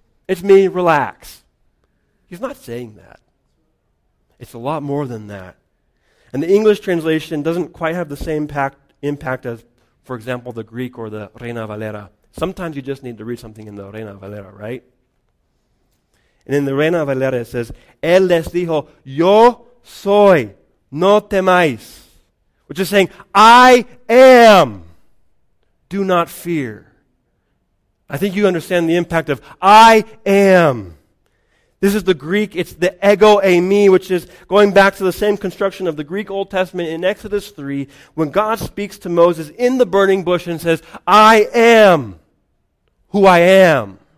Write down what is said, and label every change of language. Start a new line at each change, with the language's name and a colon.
English: It's me. Relax. He's not saying that. It's a lot more than that. And the English translation doesn't quite have the same impact as, for example, the Greek or the Reina Valera. Sometimes you just need to read something in the Reina Valera, right? And in the Reina Valera it says,
Spanish: Él les dijo, yo soy, no temáis.
English: Which is saying, I am, do not fear. I think you understand the impact of I am. This is the Greek, it's the ego eimi, which is going back to the same construction of the Greek Old Testament in Exodus 3, when God speaks to Moses in the burning bush and says, I am who I am.